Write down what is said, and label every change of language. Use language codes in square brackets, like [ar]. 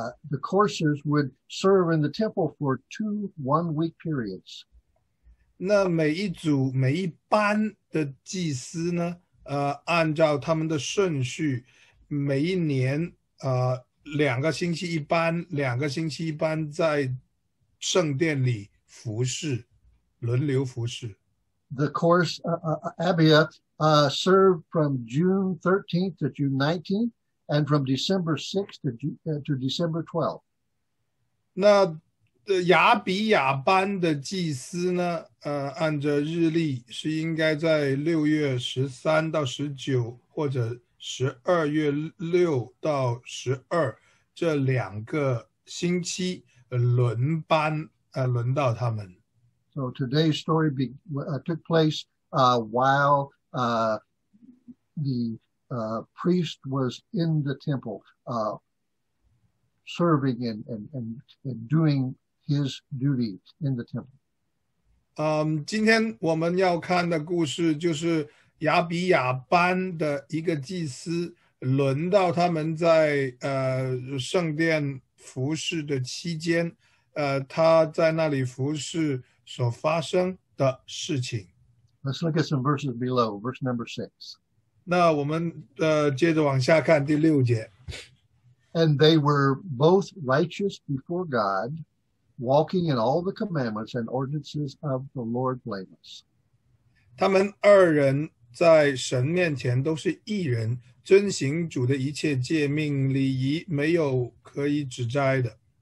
[en] the coursers would serve in the temple for 2 1-week periods. [zh] 那每一组每一班的祭司呢？按照他们的顺序，每一年两个星期一班，两个星期一班在圣殿里服侍，轮流服侍。 [en] The course Abiath served from June 13th to June 19th, and from December 6th to December 12th. [zh] 那亚比亚班的祭司呢？按照日历是应该在六月十三到十九，或者十二月六到十二这两个星期轮班，轮到他们。 [en] So today's story took place while priest was in the temple, serving and doing his duty in the temple. [zh] 今天我们要看的故事就是亚比亚班的一个祭司轮到他们在圣殿服侍的期间，他在那里服侍所发生的事情。 [en] Let's look at some verses below, verse number 6. [zh] 那我们接着往下看第六节。 [en] And they were both righteous before God, walking in all the commandments and ordinances of the Lord blameless. [zh] 他们二人在神面前都是义人，遵行主的一切诫命礼仪，没有可以指摘的。